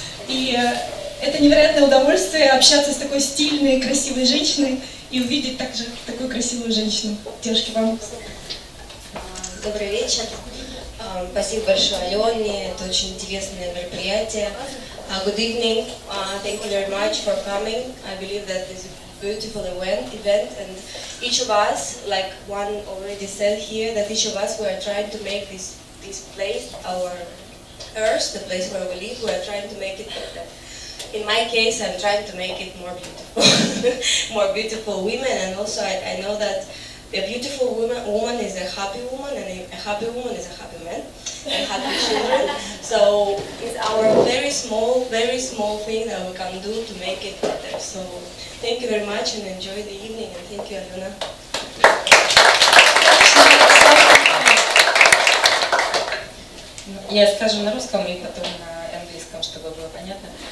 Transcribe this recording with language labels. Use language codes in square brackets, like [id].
[ru] И это невероятное удовольствие общаться с такой стильной, красивой женщиной и увидеть также такую красивую женщину. Девушки, вам. Добрый вечер. Спасибо большое, Алене. Это очень интересное мероприятие. [en] Good evening. Thank you very much for coming. I believe that this is a beautiful event, and each of us, like one already said here, that each of us, we are trying to make this place our earth, the place where we live. We are trying to make it better. In my case, I'm trying to make it more beautiful, more beautiful women, and also I know that a beautiful woman is a happy woman, and a happy woman is a happy man, and happy children. So it's our very small thing that we can do to make it better. So thank you very much, and enjoy the evening, and thank you, Alena. [ru] Я скажу на русском и потом на английском, чтобы было понятно.